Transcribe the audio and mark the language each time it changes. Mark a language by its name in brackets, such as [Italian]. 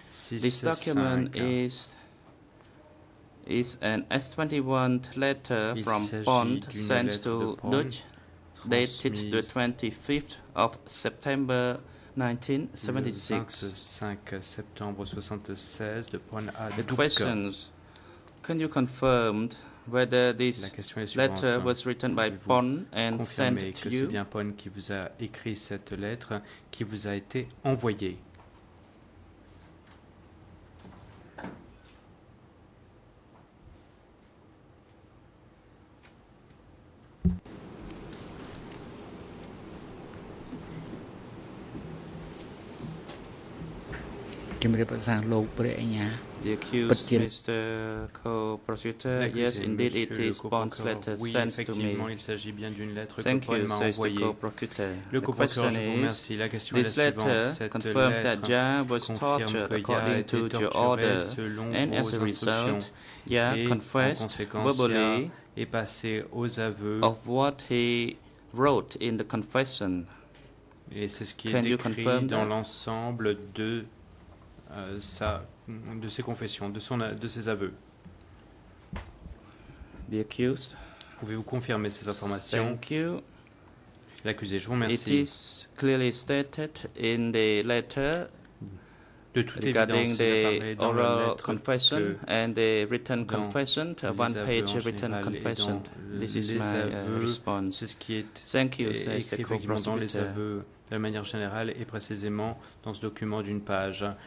[English] This document is an S21 letter from Bond sent to Dutch, dated the 25th of September 1976. The questions: can you confirm whether this letter was written by Bond and sent to you? [French] C'est bien Bond qui vous a écrit cette lettre qui vous a été envoyée. [English] The accused, Mr. Co-Prosecutor, yes, indeed, it is Bond's letter sent to me. [French] Il s'agit bien d'une lettre. [English] Thank you, sir, Mr. [French] Co-Procureur. Le [English] question is, [French] la question [English] this letter confirms that Jan was tortured according to your order, and as a result, Jan confessed verbally of what he wrote in the confession. [French] Et c'est ce qui est écrit dans l'ensemble de de ses confessions, de ses aveux. [English] The accused. [French] Pouvez-vous confirmer ces informations? [English] Thank you. [French] L'accusé, je vous remercie. [English] It is clearly stated in the letter [French] de toute [English] regarding [French] évidence, [English] the oral confession and the written confession, a one-page written confession. This is my response. [French] C'est ce qui est écrit dans les aveux. De la manière générale et précisément dans ce document d'une page.